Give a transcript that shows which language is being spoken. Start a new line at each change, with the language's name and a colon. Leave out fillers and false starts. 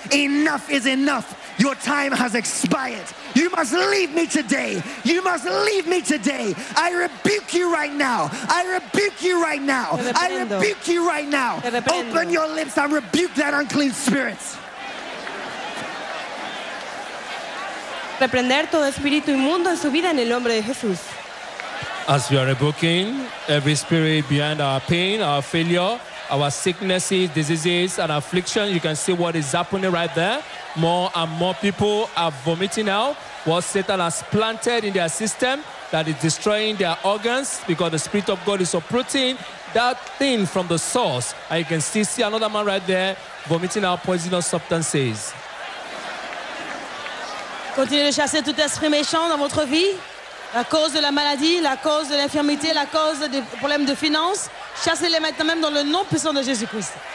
English: Enough is enough. Your time has expired. You must leave me today. You must leave me today. I rebuke you right now. I rebuke you right now. I rebuke you right now. Open your lips and rebuke that unclean spirit.
Spanish: Reprender todo espíritu inmundo en su vida en el nombre de Jesús.
English: As we are rebuking every spirit behind our pain, our failure, our sicknesses, diseases, and affliction. You can see what is happening right there. More and more people are vomiting out what Satan has planted in their system that is destroying their organs, because the Spirit of God is uprooting that thing from the source. And you can still see another man right there vomiting out poisonous substances. Continue to
French: chasser tout esprit méchant dans votre vie. La cause de la maladie, la cause de l'infirmité, la cause des problèmes de finances. Chassez-les maintenant même dans le nom puissant de Jésus-Christ.